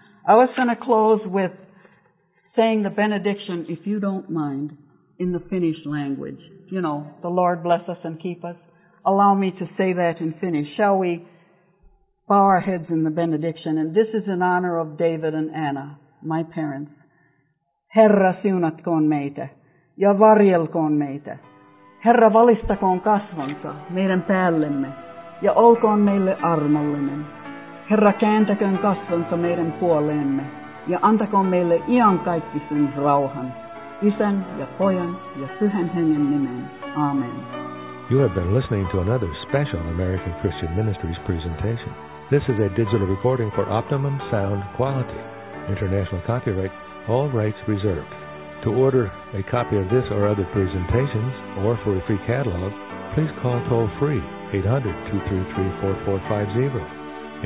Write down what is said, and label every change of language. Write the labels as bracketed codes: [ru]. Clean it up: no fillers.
[en] I was going to close with saying the benediction, if you don't mind, in the Finnish language. You know, the Lord bless us and keep us. Allow me to say that in Finnish. Shall we bow our heads in the benediction? And this is in honor of David and Anna, my parents. [fi] Herra siunatkoon meitä ja varjelkoon meitä. Herra valistakoon kasvonsa meidän päällemme ja olkoon meille armollinen. Herra kääntäköön kasvonsa meidän puoleemme ja antakoon meille iankaikkisen rauhan. Isän ja Pojan ja Pyhän Hengen nimen. Amen. [en] You have been listening to another special American Christian Ministries presentation. This is a digital recording for optimum sound quality. International copyright, all rights reserved. To order a copy of this or other presentations, or for a free catalog, please call toll-free 800-233-4450.